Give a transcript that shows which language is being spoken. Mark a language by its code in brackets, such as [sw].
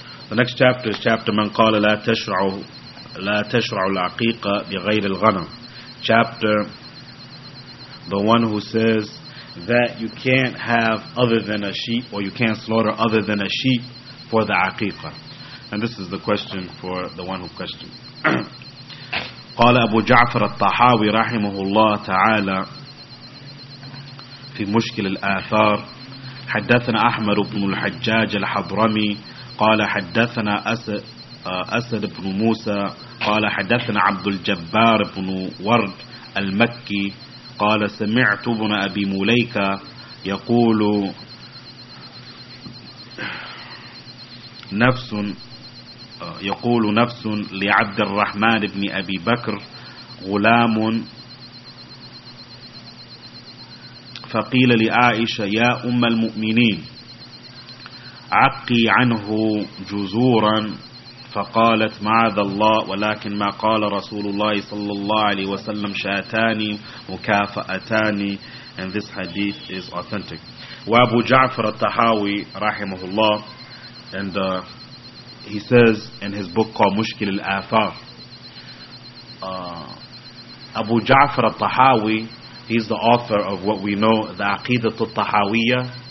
[en] The next chapter is chapter Man Qala La Tashra'u Al-Aqiqa Bighayri Al-Ghanam. Chapter, the one who says that you can't have other than a sheep, or you can't slaughter other than a sheep for the aqiqah. And this is the question for the one who questioned. [ar] قال أبو جعفر الطحاوي رحمه الله تعالى في مشكل الآثار حدثنا أحمد بن الحجاج الحضرمي قال حدثنا أسد بن موسى قال حدثنا عبد الجبار بن ورد المكي قال سمعت ابن أبي مليكة يقول نفس يقول نفس لعبد الرحمن بن أبي بكر غلام فقيل لعائشة يا أم المؤمنين عقي عنه جزورا فقالت معاذ الله ولكن ما قال رسول الله صلى الله عليه وسلم شاتان مكافأتان. [en] And this hadith is authentic. [ar] وابو جعفر الطحاوي رحمه الله, [en] and he says in his book called Mushkil al-Athar, Abu Ja'far al-Tahawi, he's the author of what we know, the Aqidah al-Tahawiyyah.